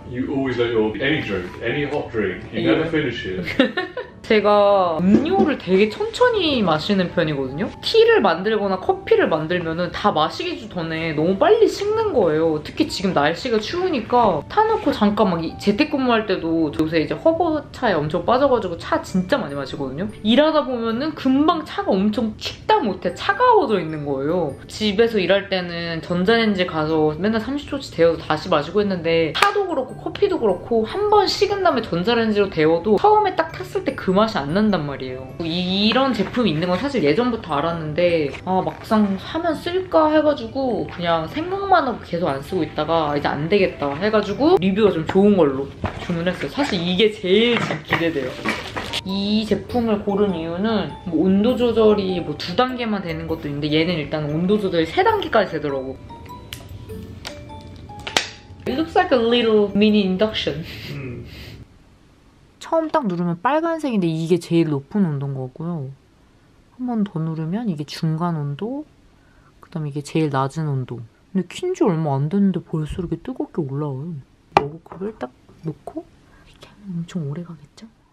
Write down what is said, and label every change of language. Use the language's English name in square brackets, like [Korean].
[English] You always let your any drink, any hot drink, you never finish it. [Korean] 제가 음료를 되게 천천히 마시는 편이거든요. 티를 만들거나 커피를 만들면은 다 마시기 전에 너무 빨리 식는 거예요. 특히 지금 날씨가 추우니까 타놓고 잠깐 막 재택근무할 때도 요새 이제 허브차에 엄청 빠져가지고 차 진짜 많이 마시거든요. 일하다 보면은 금방 차가 엄청 식다 못해 차가워져 있는 거예요. 집에서 일할 때는 전자레인지 가서 맨날 30초치 데워서 다시 마시고 했는데 차도 그렇고 커피도 그렇고 한번 식은 다음에 전자레인지로 데워도 처음에 딱 탔을 때 그 맛이 안 난단 말이에요. 이런 제품이 있는 건 사실 예전부터 알았는데 아 막상 사면 쓸까 해가지고 그냥 생각만 하고 계속 안 쓰고 있다가 이제 안 되겠다 해가지고 리뷰가 좀 좋은 걸로 주문했어요. 사실 이게 제일 기대돼요. 이 제품을 고른 이유는 뭐 온도 조절이 뭐 두 단계만 되는 것도 있는데 얘는 일단 온도 조절이 세 단계까지 되더라고. [English] It looks like a little mini induction. [Korean] 처음 딱 누르면 빨간색인데 이게 제일 높은 온도인 거고요. 한 번 더 누르면 이게 중간 온도, 그 다음에 이게 제일 낮은 온도. 근데 킨 지 얼마 안 됐는데 벌써 이렇게 뜨겁게 올라와요. 머그컵을 딱 놓고 이렇게 하면 엄청 오래 가겠죠?